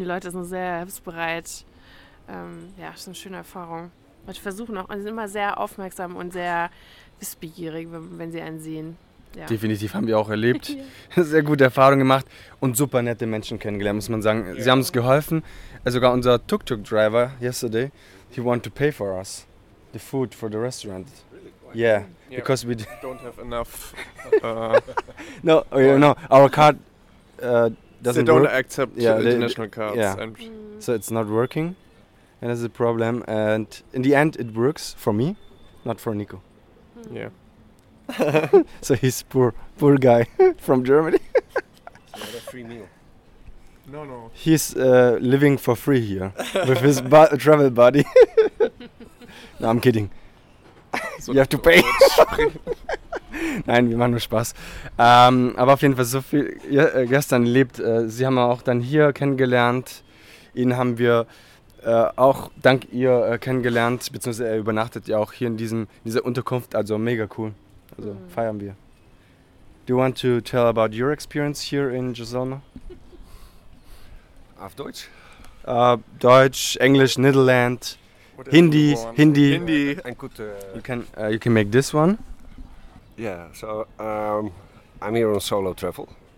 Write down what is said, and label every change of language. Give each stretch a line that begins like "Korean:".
German: Die Leute sind sehr hilfsbereit. Ist eine schöne Erfahrung. Leute versuchen auch und sind immer sehr aufmerksam und sehr wissbegierig, wenn sie einen sehen. Ja. Definitiv haben wir auch erlebt. Sehr gute Erfahrung gemacht und super nette Menschen kennengelernt, muss man sagen. Yeah. Sie haben uns geholfen. Also sogar unser
English: Tuk-Tuk-Driver yesterday, he wanted to pay for us the food for the restaurant. Really? Yeah, because we don't have enough. No, you know, our card doesn't they don't work. Accept international cards. Yeah. So it's not working. And that's a problem. And in the end, it works for me, not for Nico. Yeah. So he's poor guy from Germany. Not a free meal. No. He's living for free here with his travel buddy. No, I'm kidding. So you have to pay.
German: Nein, wir machen nur Spaß. Aber auf jeden Fall so viel gestern erlebt. Sie haben auch dann hier kennengelernt. Ihn haben wir auch dank ihr kennengelernt, beziehungsweise er übernachtet ja auch hier in dieser Unterkunft, also mega cool. Also feiern wir.
English: Do you want to tell about your experience here in Jasona?
German: Auf Deutsch? Deutsch, Englisch, Niederland, Hindi. Ein guter.
English: You can make this one. Yeah, so I'm here on solo travel.